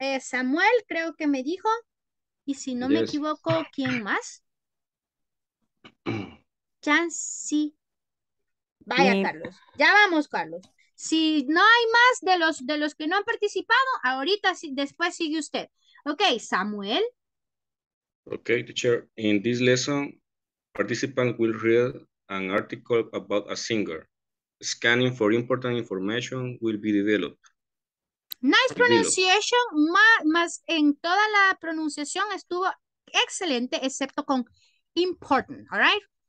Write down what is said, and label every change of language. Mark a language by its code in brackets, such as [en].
[es] Samuel creo que me dijo. Y si no me equivoco, ¿quién más? Chancy. Vaya, me. Carlos. Ya vamos, Carlos. Si no hay más de los que no han participado, ahorita sí, después sigue usted. Ok, Samuel. [en] Okay, teacher, in this lesson, participants will read an article about a singer. Scanning for important information will be developed. Nice pronunciation, [es] más en toda la pronunciación estuvo excelente, excepto con important, [en] all right?